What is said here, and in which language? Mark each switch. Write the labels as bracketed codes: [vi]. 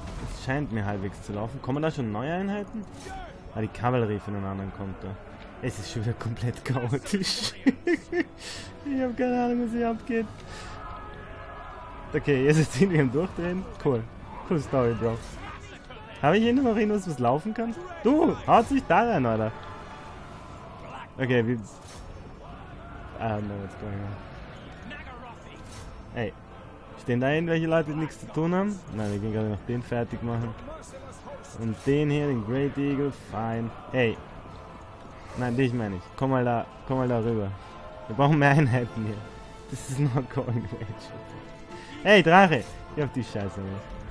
[de] Es scheint mir halbwegs zu laufen. Kommen da schon neue Einheiten? Ah, die Kavallerie von den anderen kommt da. Es ist schon wieder komplett chaotisch. Ich habe keine Ahnung, was hier abgeht. Okay, jetzt ist hinter ihm durchdrehen. Cool. [en] Cool Story, Bro. [de] Habe ich hier noch irgendwas, was laufen kann? Du, haut sich da rein, Alter. [en] Okay, wie... I don't know what's going on. Ey. [de] Stehen da irgendwelche Leute, die nichts zu tun haben? Nein, wir gehen gerade noch den fertig machen. Und den hier, den Great Eagle, fine. Hey. Nein, dich meine ich. Komm mal da rüber. Wir brauchen mehr Einheiten hier. [en] This is not going well. [de] Hey, Drache! Ich hab die Scheiße nicht.